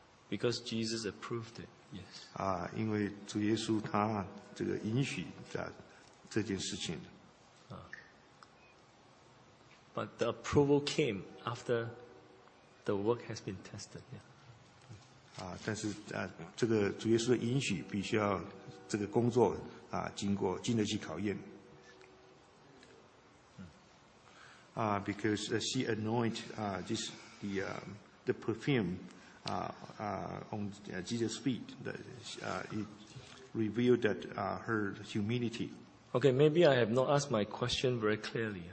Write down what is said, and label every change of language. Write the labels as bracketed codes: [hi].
[en] Because Jesus approved it, yes. [zh] 因为主耶稣他这个允许这件事情。 [en] But the approval came after the work has been tested, yeah. [zh] 但是这个主耶稣的允许必须要这个工作经得起考验。 [en] Because she anointed the perfume on Jesus' feet it revealed that her humility. Okay, maybe I have not asked my question very clearly.